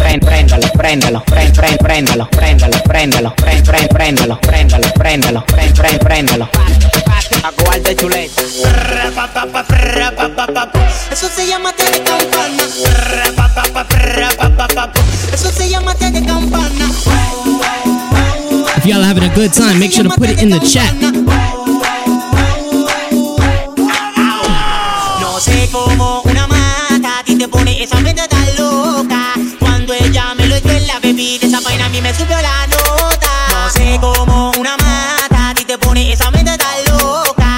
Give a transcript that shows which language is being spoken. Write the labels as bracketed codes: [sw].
[es] Préndalo, préndalo, préndalo, préndalo, préndalo, préndalo, préndalo, préndalo, préndalo, préndalo, préndalo, préndalo, préndalo. Aguarde chuleta. Eso se llama té de campana. Eso se llama té de campana. [en] If y'all having a good time, make sure to put it in the chat. [es] No sé cómo una mata a ti te pone esa mente tan loca. Cuando ella me lo echó en la bebida, esa vaina a mí me subió la nota. No sé cómo una mata a ti te pone esa mente tan loca.